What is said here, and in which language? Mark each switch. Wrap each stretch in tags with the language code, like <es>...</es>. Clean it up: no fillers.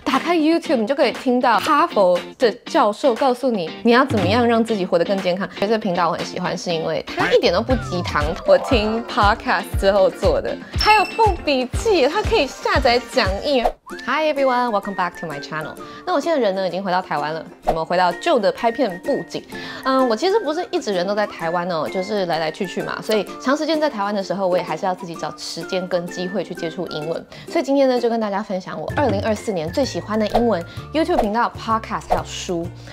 <zh>开 YouTube， 你就可以听到哈佛的教授告诉你你要怎么样让自己活得更健康。所以这频道我很喜欢，是因为它一点都不鸡汤，我听 Podcast 之后做的。还有副笔记，它可以下载讲义。</zh> <en>Hi everyone, welcome back to my channel.</en> <zh>那我现在人呢已经回到台湾了，我们回到旧的拍片布景。我其实不是一直人都在台湾哦，就是来来去去嘛，所以长时间在台湾的时候，我也还是要自己找时间跟机会去接触英文。所以今天呢，就跟大家分享我2024年最喜欢的英文 YouTube 频道、Podcast 还有书。</zh>